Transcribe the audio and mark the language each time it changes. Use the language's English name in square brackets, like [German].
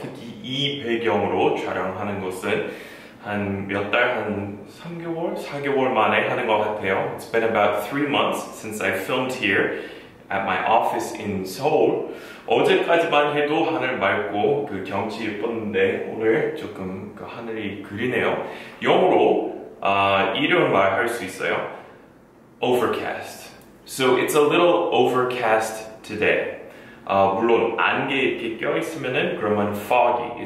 [Korean] 특히 이 배경으로 촬영하는 것은 한 몇 달, 한 3개월, 4개월 만에 하는 것 같아요. [English] It's been about 3 months since I filmed here at my office in Seoul. [Korean] 어제까지만 해도 하늘 맑고 그 경치 예뻤는데 오늘 조금 그 하늘이 그리네요. 영어로 이런 말 할 수 있어요. [English] Overcast. So it's a little overcast today. [Korean] 물론 안개 이렇게 껴있으면은 그러면 foggy.